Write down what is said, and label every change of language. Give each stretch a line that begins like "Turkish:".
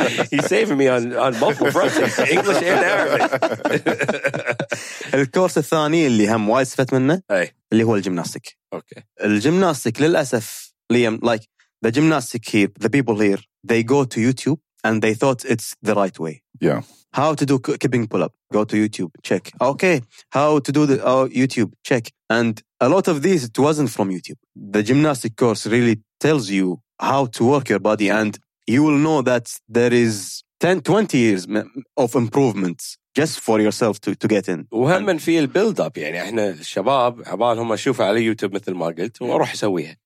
English: He's saving me on multiple fronts, English and Arabic.
Arabic: الكورس الثاني اللي هم وايد استفدت منه اللي هو الجيمناستيك.
English: Okay.
Arabic: الجيمناستيك للأسف
English: ليام like the gymnastic here the people here they go to YouTube and they thought it's the right way. Yeah. How to do kipping pull up? Go to YouTube. Check. Okay. How to do the YouTube? Check. And a lot of these it wasn't from YouTube. The gymnastic course really tells you how to work your body and you will know that there is 10, 20 years of improvements just for yourself to get in.
Arabic: وهم في البيلد اب يعني احنا الشباب عبال هم اشوفها على يوتيوب مثل ما قلت واروح اسويها.